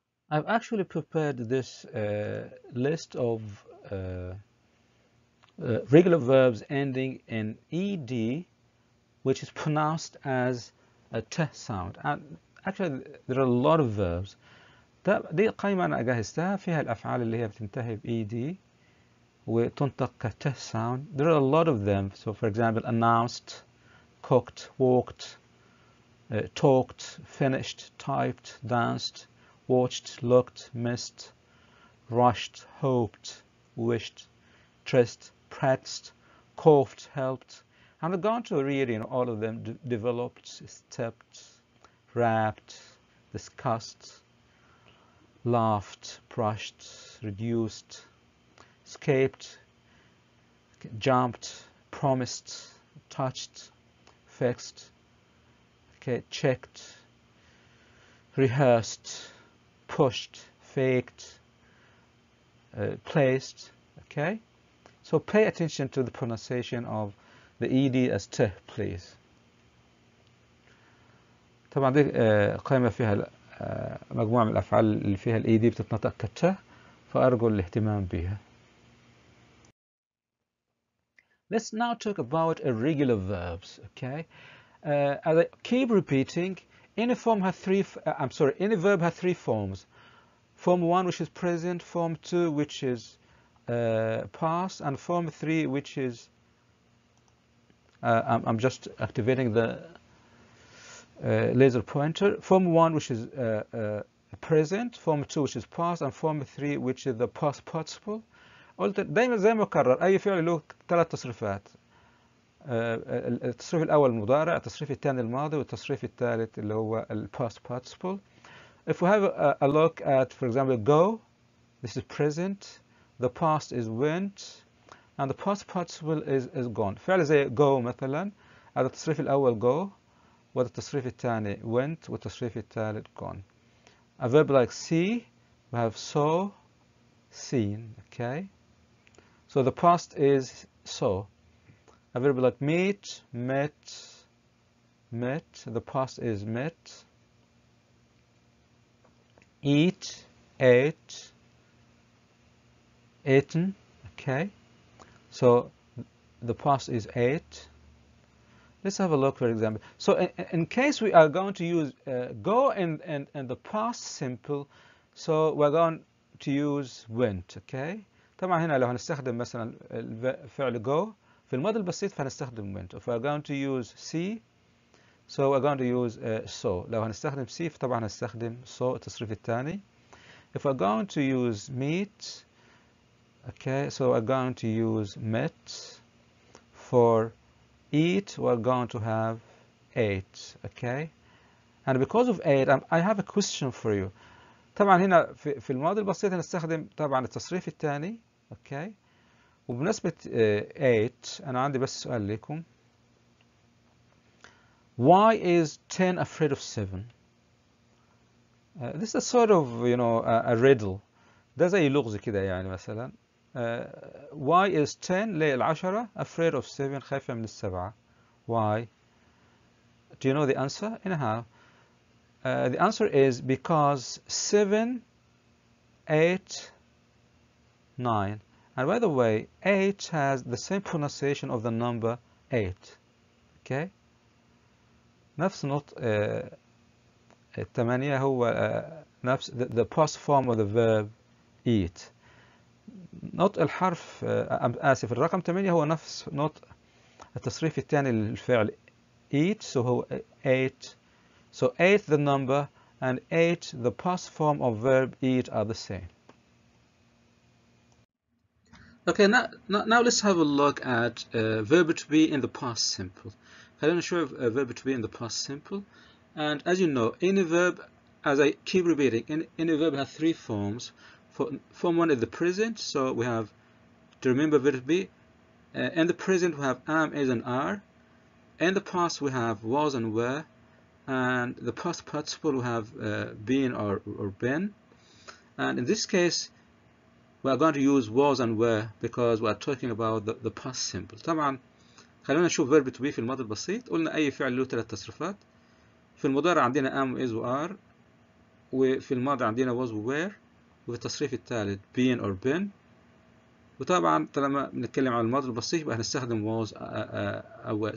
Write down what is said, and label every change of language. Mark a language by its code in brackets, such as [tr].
[en] I've actually prepared this list of regular verbs ending in ed, which is pronounced as a t sound. And actually, there are a lot of verbs. [ar] دي قائمة أنا جهزتها فيها الأفعال اللي هي بتنتهي بed وتنطق كt sound. [en] There are a lot of them. So, for example, announced, cooked, walked, talked, finished, typed, danced. Watched, looked, missed, rushed, hoped, wished, dressed, pressed, coughed, helped. I'm not going to read in all of them. Developed, stepped, wrapped, discussed, laughed, brushed, reduced, escaped, jumped, promised, touched, fixed, okay, checked, rehearsed. Pushed, faked, placed, okay? So pay attention to the pronunciation of the ed as t, please. [ar] طبعا دي قائمة فيها مجموعة من الأفعال اللي فيها ال ed بتتنطق كت، فأرجو الاهتمام بها. [en] Let's now talk about irregular verbs, okay? As I keep repeating, any form has three, I'm sorry, any verb has three forms. Form 1, which is present, form 2, which is past, and form 3, which is, I'm just activating the laser pointer. Form 1, which is present, form 2, which is past, and form 3, which is the past participle. [ar] دائما زي ما أكرر أي فعل له ثلاث تصريفات. التصريف الأول المضارع، التصريف الثاني الماضي، والتصريف الثالث اللي هو ال past participle. [en] If we have a look at, for example, go, this is present, the past is went, and the past participle is gone. [ar] فعل زي go مثلا، هذا التصريف الأول go، والتصريف الثاني went، والتصريف الثالث gone. [en] A verb like see, we have saw, seen, okay? So the past is saw. A verb like meet, met, met, the past is met. Eat, ate, eaten, okay? So the past is ate. Let's have a look, for example. So in case we are going to use go in the past simple, so we're going to use went, okay? [ar] طبعا هنا لو هنستخدم مثلا الفعل go في الماضي البسيط فهنستخدم went. [en] If we're going to use see, so we're going to use so. [ar] لو هنستخدم see فطبعا هنستخدم so التصريف الثاني. [en] If we're going to use meet, okay, so we're going to use met. For eat, we're going to have ate, okay? And because of ate, I have a question for you. [ar] طبعا هنا في الماضي البسيط هنستخدم طبعا التصريف الثاني, okay? وبنسبة ate, أنا عندي بس سؤال لكم. [en] Why is 10 afraid of 7? This is a sort of, you know, a riddle. [ar] ده زي لغز كده يعني مثلا. [en] Why is 10, [ar] ليه العشرة, [en] afraid of 7, [ar] خايفة من السبعة? [en] Why? Do you know the answer? Anyhow, the answer is because 7, 8, 9. And by the way, 8 has the same pronunciation of the number 8. Okay? [ar] نفس نطق الثمانية هو نفس [en] the past form of the verb eat. [ar] نطق الحرف آسف الرقم 8 هو نفس نطق التصريف الثاني للفعل eat, so هو ate. [en] So ate the number and ate the past form of verb eat are the same. Okay, now let's have a look at verb to be in the past simple. Helena, show a verb to be in the past simple. And as you know, any verb, as I keep repeating, any verb has three forms. Form one is the present, so we have to remember verb to be. In the present, we have am, is, and are. In the past, we have was and were. And the past participle, we have been or been. And in this case, we are going to use was and were because we are talking about the past simple. [ar] طبعا خلونا نشوف verb to be في الماضي البسيط. قلنا أي فعل له ثلاث تصرفات. في المضارع عندنا am, is, are. وفي الماضي عندنا was, were. وفي التصريف الثالث been or been. وطبعا طالما بنتكلم عن الماضي البسيط يبقى هنستخدم was or were.